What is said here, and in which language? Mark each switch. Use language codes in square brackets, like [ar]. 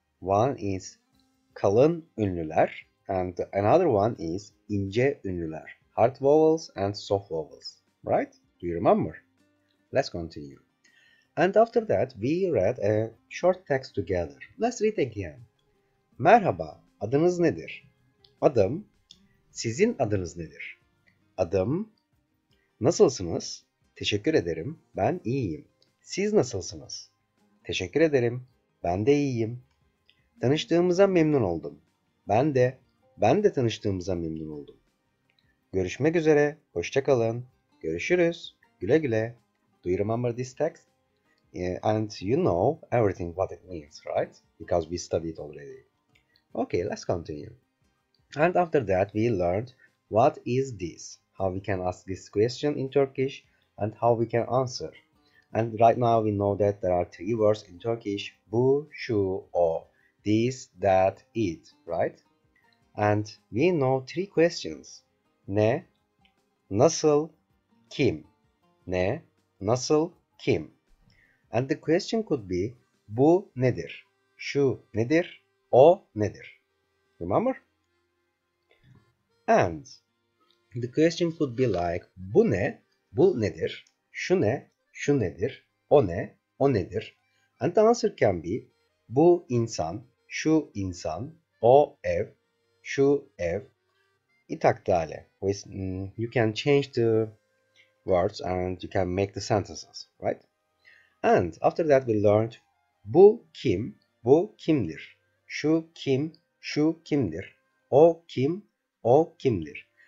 [en] One is [tr] kalın ünlüler [en] and another one is [tr] ince ünlüler. [en] Hard vowels and soft vowels, right? Do you remember? Let's continue. And after that, we read a short text together. Let's read again. [tr] Merhaba, adınız nedir? Adım, sizin adınız nedir? Adım, nasılsınız? Teşekkür ederim, ben iyiyim. Siz nasılsınız? Teşekkür ederim, ben de iyiyim. Tanıştığımıza memnun oldum. Ben de tanıştığımıza memnun oldum. Görüşmek üzere. Hoşça kalın. Görüşürüz. Güle güle. [en] Do you remember this text? And you know everything what it means, right? Because we studied already. Okay, let's continue. And after that, we learned what is this? How we can ask this question in Turkish and how we can answer. And right now we know that there are three words in Turkish. [tr] Bu, şu, o. [en] This, that, it, right? And we know three questions. [tr] Ne, nasıl, kim? Ne, nasıl, kim? [en] And the question could be, [tr] bu nedir? Şu nedir? O nedir? [en] Remember? And the question could be like, [tr] bu ne? Bu nedir? Şu ne? Şu nedir? O ne? O nedir? [en] And the answer can be, [tr] bu insan, şu insan, o ev, şu ev. İtaktale. [en] You can change the words and you can make the sentences, right? And after that we learned [tr] bu kim, bu kimdir? Şu kim, şu kimdir? O kim, o kimdir?